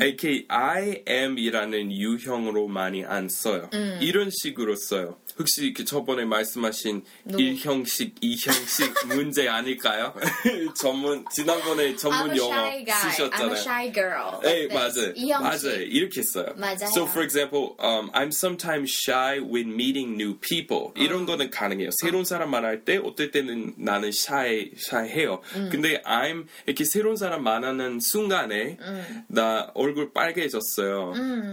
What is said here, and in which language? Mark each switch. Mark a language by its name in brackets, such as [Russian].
[Korean] 이렇게 I am이라는 유형으로 많이 안 써요. 이런 식으로 써요. 혹시 이렇게 저번에 말씀하신 1형식, 2형식 문제 아닐까요? 지난번에 전문 영어 쓰셨잖아요. [English] I'm a shy girl. [Korean] 네, 맞아요. 2형식. 맞아요. 이렇게 써요. 맞아요. [English] So, for example, I'm sometimes shy when meeting new people. [Korean] 이런 거는 가능해요. 새로운 사람 만날 때, 어떨 때는 나는 shy해요. 근데 I'm 이렇게 새로운 사람 만나는 순간에 나 얼굴 빨개졌어요.